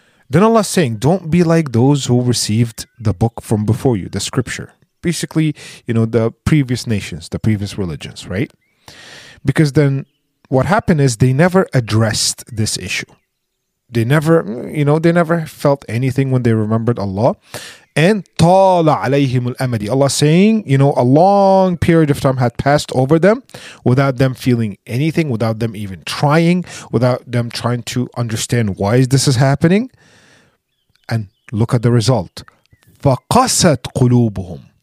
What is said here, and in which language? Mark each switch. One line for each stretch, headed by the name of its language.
English: Then Allah is saying, don't be like those who received the book from before you, the scripture. Basically, you know, the previous nations, the previous religions, right? Because then what happened is they never addressed this issue. They never, you know, they never felt anything when they remembered Allah.
Arabic: And طال عليهم الأمد.
English: Allah saying, you know, a long period of time had passed over them without them feeling anything, without them even trying, without them trying to understand why this is happening. And look at the result.
Arabic: فقست قلوبهم.